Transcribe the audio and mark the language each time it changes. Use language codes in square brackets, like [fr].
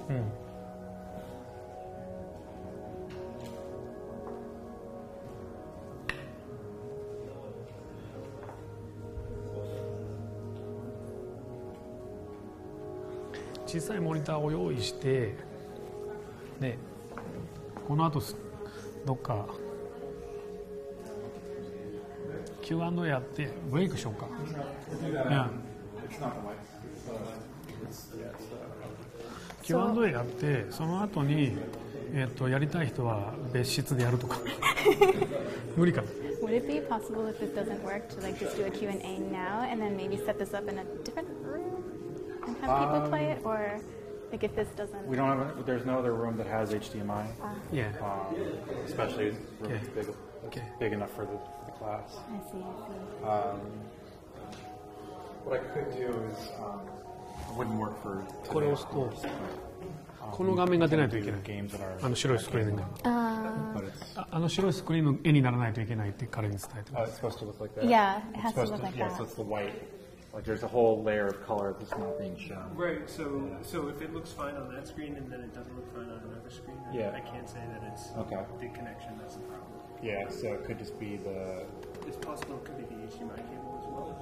[ja] うん、小さいモニターを用意してねこの後どっか Q&A やってブレイクしようか。 Q&A やって、その後に、やりたい人は別室でやるとか。無理か。 [en] Would it be possible if it doesn't work to like just do a Q&A now and then maybe set this up in a different room and have people play it? Or like if this doesn't... We don't have a, there's no other room that has HDMI. Yeah. Especially room that's big, big enough for the class. I see, I see. What I could do is... it wouldn't work for... [ja] これを押すと、この画面が出ないといけない。あの白いスクリーンが。あの白いスクリーンの絵にならないといけないって彼に伝えてます。 [en] It's supposed to look like that. Yeah, it has to look like that. Yeah, so it's the white. Like there's a whole layer of color that's not being shown. Right, so if it looks fine on that screen and then it doesn't look fine on another screen, I can't say that it's the connection that's a problem. Yeah, so it could just be the... It's possible it could be the HDMI cable as well.